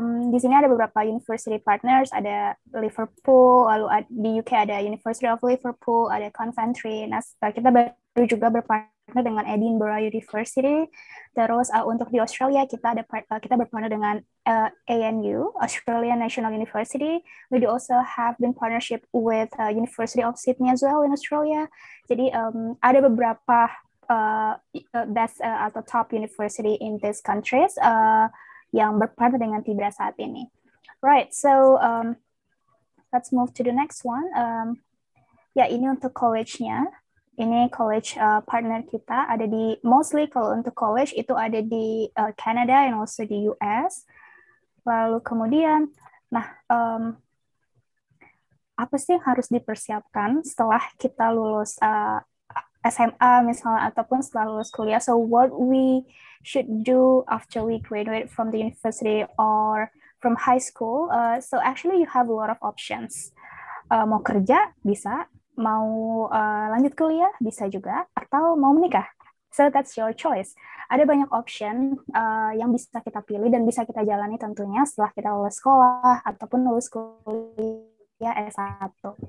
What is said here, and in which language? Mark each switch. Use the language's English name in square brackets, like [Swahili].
[Indonesian] Di sini ada beberapa university partners, ada Liverpool, lalu di UK ada University of Liverpool, ada Coventry. Nah, kita baru juga berpartner dengan Edinburgh University. Terus untuk di Australia, kita berpartner dengan ANU, Australian National University. [English] We do also have been partnership with University of Sydney as well in Australia. [Indonesian] Jadi ada beberapa atau [English] top university in these countries [Indonesian] yang berpartner dengan Tibra saat ini. [English] Right, so let's move to the next one. [Indonesian] Ini untuk college-nya. Ini college partner kita ada di, mostly kalau untuk college itu ada di Canada and also di US. Lalu kemudian, apa sih yang harus dipersiapkan setelah kita lulus SMA misalnya ataupun setelah lulus kuliah. [English] So what we should do after we graduate from the university or from high school. So actually you have a lot of options. [Indonesian] Mau kerja bisa, mau lanjut kuliah bisa juga, atau mau menikah. [English] So that's your choice. [Indonesian] Ada banyak option yang bisa kita pilih dan bisa kita jalani tentunya setelah kita lulus sekolah ataupun lulus kuliah. Ya, S1.